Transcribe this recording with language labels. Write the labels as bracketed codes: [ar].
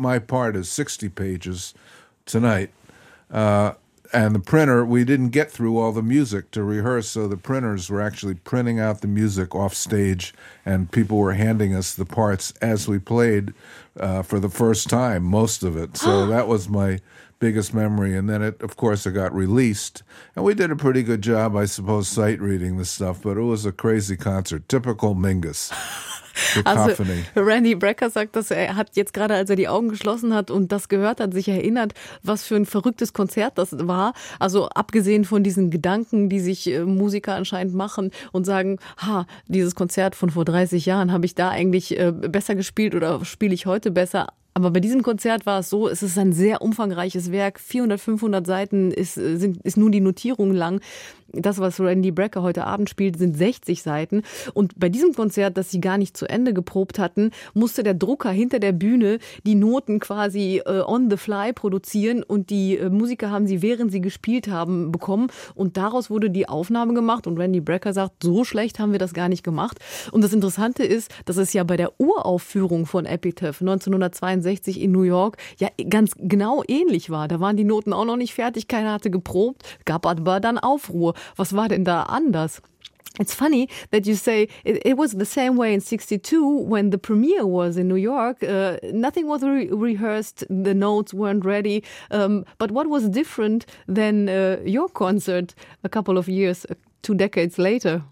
[en] My part is 60 pages tonight. And the printer, we didn't get through all the music to rehearse, so the printers were actually printing out the music off stage, and people were handing us the parts as we played for the first time, most of it. So that was my biggest memory. And then, it got released. And we did a pretty good job, I suppose, sight-reading the stuff, but it was a crazy concert, typical Mingus. [de] Also, Randy Brecker sagt, dass er hat jetzt gerade, als er die Augen geschlossen hat und das gehört hat, sich erinnert, was für ein verrücktes Konzert das war. Also abgesehen von diesen Gedanken, die sich Musiker anscheinend machen und sagen, ha, dieses Konzert von vor 30 Jahren, habe ich da eigentlich besser gespielt oder spiele ich heute besser? Aber bei diesem Konzert war es so, es ist ein sehr umfangreiches Werk, 400, 500 Seiten ist nur die Notierung lang. Das, was Randy Brecker heute Abend spielt, sind 60 Seiten. Und bei diesem Konzert, das sie gar nicht zu Ende geprobt hatten, musste der Drucker hinter der Bühne die Noten quasi [en] on the fly [de] produzieren. Und die Musiker haben sie, während sie gespielt haben, bekommen. Und daraus wurde die Aufnahme gemacht. Und Randy Brecker sagt, so schlecht haben wir das gar nicht gemacht. Und das Interessante ist, dass es ja bei der Uraufführung von Epitaph 1962 in New York ja ganz genau ähnlich war. Da waren die Noten auch noch nicht fertig, keiner hatte geprobt, gab aber dann Aufruhr. Was war denn da anders? [en] It's funny that you say it was the same way in 62 when the premiere was in New York. Nothing was rehearsed. The notes weren't ready. But what was different than your concert a couple of years, two decades later?